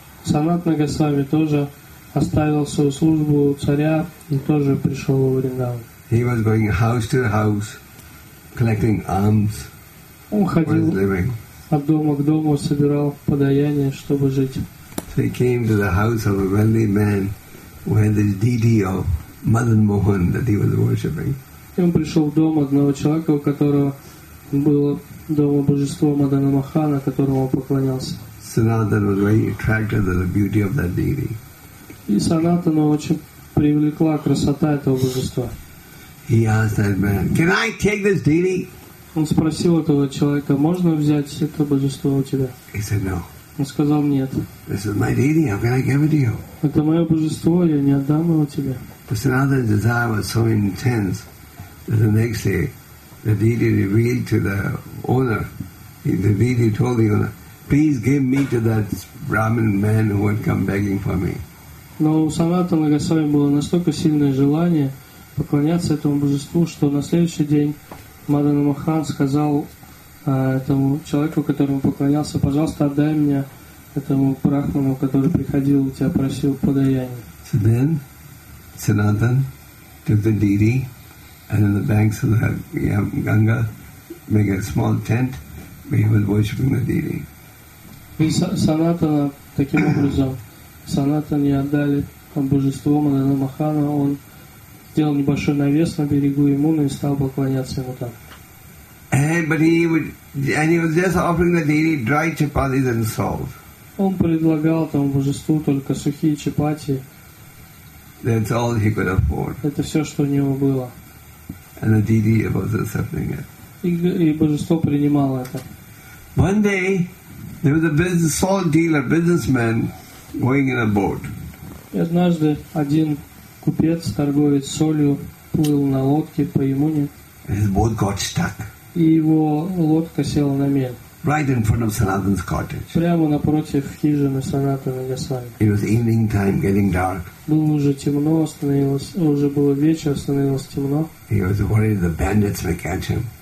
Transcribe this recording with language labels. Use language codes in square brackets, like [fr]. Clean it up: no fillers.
[ru] Sanatana Goswami тоже оставил свою службу царя и тоже пришел во Вриндаван. [en] He was going house to house, collecting alms for his living. [ru] От дома к дому собирал подаяние, чтобы жить. [en] So he came to the house of a wealthy man who had this deity of Madan Mohan that he was worshipping. [ru] И он пришел в дом одного человека, у которого было дома божество Мадана Махана, которому он поклонялся. [en] Sanatana was very attracted to the beauty of that deity. [ru] И Санатана очень привлекла красота этого божества. [en] He asked that man, "Can I take this deity?" [ru] Он спросил этого человека, "Можно взять это божество у тебя?" [en] He said, "No." [ru] Он сказал, нет. [en] This is my deity. How can I give it to you? [ru] Это мое божество, я не отдам его тебе. [en] But Sanatana's desire was so intense that the next day the deity revealed to the owner, the deity told the owner, please give me to that Brahmin man who had come begging for me. [ru] Но у Санатана Госвами было настолько сильное желание поклоняться этому божеству, что на следующий день Мадана Махан сказал этому человеку, которому поклонялся, пожалуйста, отдай мне этому брахману, который приходил у тебя, просил подаяние. [en] So then, Sanatana took the deity and on the banks of the Ganga made a small tent where he was worshipping the deity. [ru] И Санатана таким образом, Санатане отдали божество Мадана Махана, он сделал небольшой навес на берегу Ямуны и стал поклоняться ему там. [en] And he was just offering the deity dry chapatis and salt. [ru] Он предлагал тому божеству только сухие чапати. [en] That's all he could afford. [ru] Это все, что у него было. [en] And the deity was accepting it. [ru] И божество принимало это. [en] One day there was a business salt dealer, businessman, going in a boat. [ru] И однажды один купец, торговец солью, плыл на лодке по Ямуне. [en] His boat got stuck. [ru] И его лодка села на мель. [en] Right in front of Sanatana's cottage. [ru] Прямо напротив хижины Санатана Госвами. [en] It was evening time, getting dark. [ru] Было уже темно, становилось уже было вечер, становилось темно. [en] He was worried the bandits may catch him.